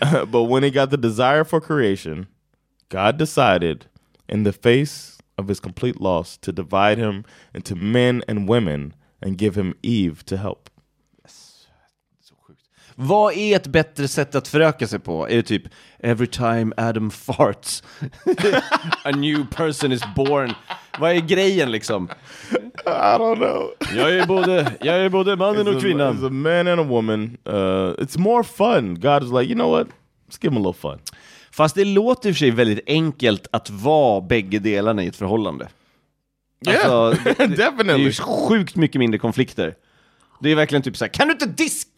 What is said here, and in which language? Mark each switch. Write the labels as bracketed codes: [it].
[en] But when he got the desire for creation, God decided, in the face of his complete loss, to divide him into men and women and give him Eve to help. [sv] Vad är ett bättre sätt att föröka sig på? Är det typ, [en] every time Adam farts, a new person is born? [sv] Vad är grejen liksom? [en] I don't know. [sv] Jag är både mannen och kvinnan. [en] It's a man and a woman. It's more fun. God is like, you know what? Let's give him a little fun. [sv] Fast det låter i och för sig väldigt enkelt att vara bägge delarna i ett förhållande. Yeah. Alltså, [en] definitely. [sv] Det är ju sjukt mycket mindre konflikter. Det är verkligen typ så här, kan du inte disk?